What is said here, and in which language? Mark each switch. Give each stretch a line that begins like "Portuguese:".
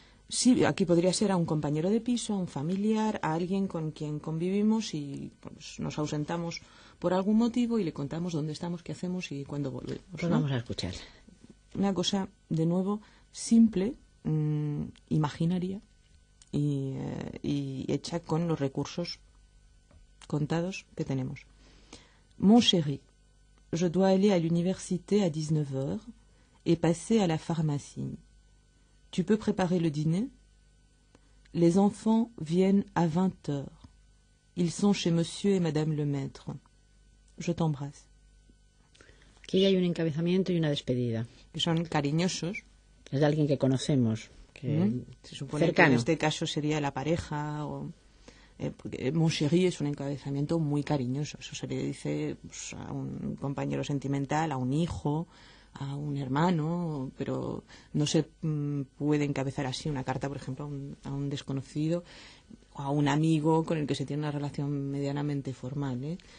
Spanish: Sí, aquí podría ser a un compañero de piso, a un familiar, a alguien con quien convivimos y pues, nos ausentamos por algún motivo y le contamos dónde estamos, qué hacemos y cuándo volvemos. Pues ¿no? Vamos a escuchar. Una cosa, de nuevo, simple, imaginaria y hecha con los recursos contados que tenemos.
French: Mon chéri, je dois aller à l'université à 19h et passer à la pharmacie. Tu peux préparer le dîner? Les enfants viennent à 20 heures. Ils sont chez monsieur et madame le maître. Je t'embrasse.
Spanish: Aquí hay un encabezamiento y una despedida. Que son cariñosos. Es de alguien que conocemos. Que Se supone cercano. Que en este caso sería la pareja. O,
French: mon chéri
Spanish: es un encabezamiento muy cariñoso. Eso se le dice pues, a un compañero sentimental, a un hijo, a un hermano, pero no se puede encabezar así una carta, por ejemplo, a un desconocido o a un amigo con el que se tiene una relación medianamente formal, ¿eh?